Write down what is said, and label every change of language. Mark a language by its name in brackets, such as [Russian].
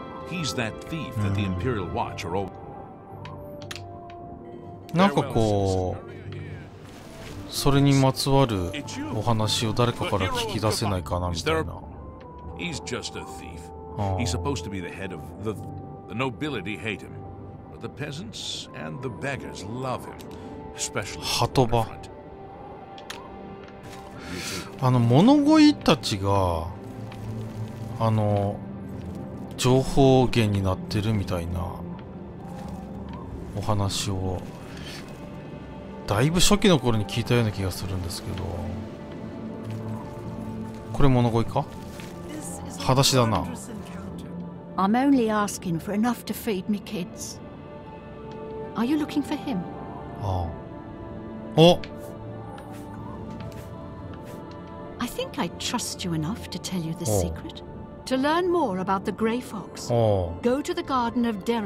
[English] He's that thief that the Imperial Watch are all... [Japanese] なんかこうそれにまつわるお話を誰かから聞き出せないかなみたいな。 [English] He's just a thief. He's supposed to be the head of the nobility hate him, but the peasants and the beggars love him, especially. [Japanese] ハトバ。あの物乞いたちがあの情報源になってるみたいなお話を。だいぶ初期の頃に聞いたような気がするんですけど、これ物乞いか？裸足だな。 [English] I'm only asking for enough to feed me kids. Are you looking for him? ああ。お。 I think I trust you enough to tell you the secret. To learn more about the Grey Fox, go to the Garden of Derelos.